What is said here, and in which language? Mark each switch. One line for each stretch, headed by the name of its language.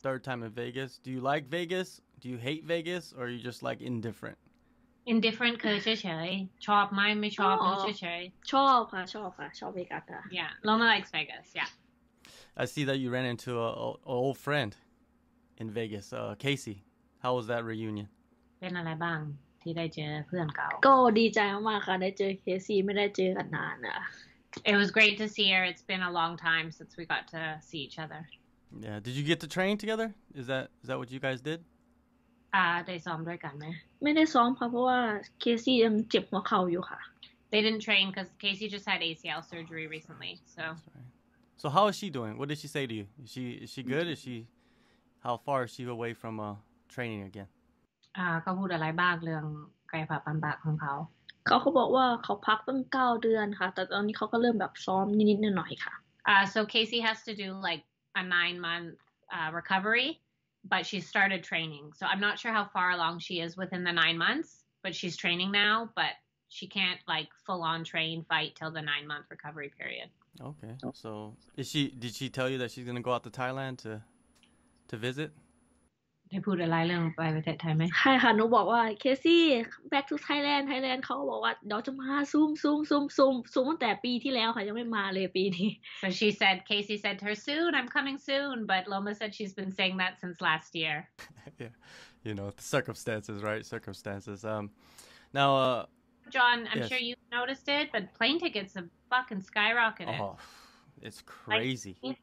English: Third time in Vegas. Do you like Vegas? Do you hate Vegas? Or are you just like indifferent? In different cultures, chop my me chop Oh, culture. chop we got that. Yeah, Loma likes Vegas. Yeah. I see that you ran into a old friend in Vegas, Casey. How was that reunion?
Thai: เป็นอะไรบ้างที่ได้เจอเพื่อนเก่า ก็ดีใจมากค่ะได้เจอเคซี่ไม่ได้เจอกันนานอ่ะ
English: It was great to see her. It's been a long time since we got to see each other. Yeah, did you get to train together? Is that what you guys did?
Thai: ได้ซ้อมด้วยกันไหม ไม่ได้ซ้อมค่ะเพราะว่าเคซี่ยังเจ็บหัวเข่าอยู่ค่ะ
English: They didn't train because Casey just had ACL surgery recently, so So how is she doing? What did she say to you? Is she good? Is she how far is she away from training again?
Thai: เขาพูดอะไรบ้างเรื่องกายภาพบำบัดของเขา เขาบอกว่าเขาพักตั้ง9 เดือนค่ะแต่ตอนนี้เขาก็เริ่มแบบซ้อมนิดๆหน่อยๆค่ะ
English: So Casey has to do like a 9 month recovery, but she started training. So I'm not sure how far along she is within the 9 months, but she's training now. But she can't like full on train fight till the 9 month recovery period. Okay, so did she tell you that she's gonna go out to Thailand to visit?
Thai: ได้พูดอะไรเรื่องไปประเทศไทยไหม ใช่ค่ะหนูบอกว่าเคซี่
English: back to Thailand
Thai: เขาบอกว่าเดี๋ยวจะมาซูมตั้งแต่ปีที่แล้วค่ะยังไม่มาเลยปีนี้
English: So she said Casey said to her soon I'm coming soon but Loma said she's been saying that since last year Yeah, you know the circumstances, right? Circumstances. Now, John, I'm yes. sure you noticed it, but plane tickets have fucking skyrocketed. Oh, it's crazy.